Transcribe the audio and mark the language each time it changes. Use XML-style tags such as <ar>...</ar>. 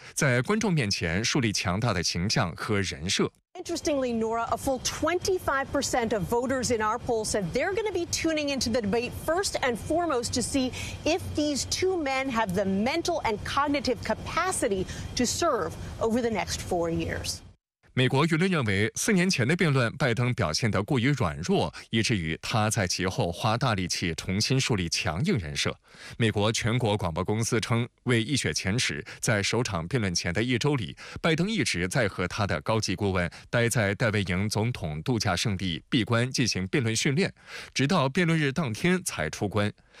<zh>美国德克萨斯大学奥斯汀分校政治学教授、总统大选日历一书作者沃莱奇恩认为，总统大选前的辩论重点并不在具体问题上的政策立场，因为这些立场的微调只能影响到极少数选民的切身利益。辩论的表现重点在于在观众面前树立强大的形象和人设。</zh> <en>Interestingly, Nora, a full 25% of voters in our poll said they're going to be tuning into the debate first and foremost to see if these two men have the mental and cognitive capacity to serve over the next 4 years.</en> <zh>美国舆论认为，4年前的辩论拜登表现得过于软弱，以至于他在其后花大力气重新树立强硬人设。美国全国广播公司称，为易雪前耻，在首场辩论前的一周里，拜登一直在和他的高级顾问待在戴维营总统度假胜地闭关进行辩论训练，直到辩论日当天才出关。</zh>